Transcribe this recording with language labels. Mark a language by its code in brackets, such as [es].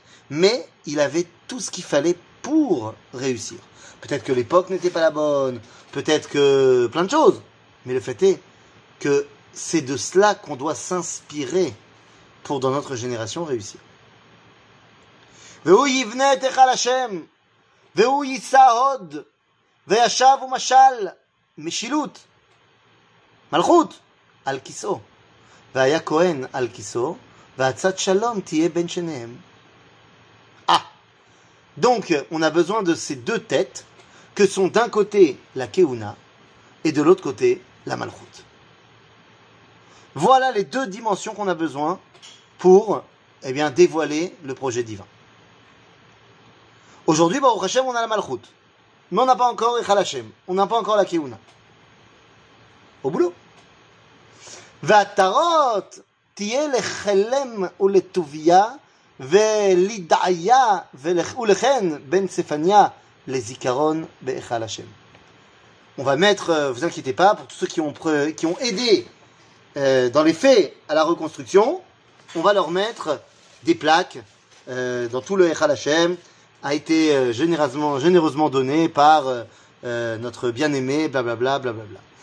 [fr] Mais il avait tout ce qu'il fallait pour réussir. Peut-être que l'époque n'était pas la bonne, peut-être que plein de choses. Mais le fait est que c'est de cela qu'on doit s'inspirer pour, dans notre génération, réussir. [he] Ve'hu yivne et echal Hashem, והוא יישא הוד, וישב ומשל משילות, מלכות, על כיסאו. והיה כהן על כיסאו, והצד שלום תהיה בין שניהם. [fr] Donc, on a besoin de ces deux têtes que sont d'un côté la Kehuna et de l'autre côté la Malchut. Voilà les deux dimensions qu'on a besoin pour eh bien, dévoiler le projet divin. Aujourd'hui, Baruch HaShem, on a la Malchut. Mais on n'a pas encore Echal HaShem. On n'a pas encore la Kehuna. Au boulot. [he] Vatarot tiye lechelem ou letuvia. ולדעיה ולכן בן צפניה לזיכרון בהיכל השם. [fr] On va mettre, vous inquiétez pas, pour tous ceux qui ont aidé dans les faits à la reconstruction, on va leur mettre des plaques dans tout le Echal Hashem, a été généreusement donné par notre bien-aimé, blablabla, blablabla.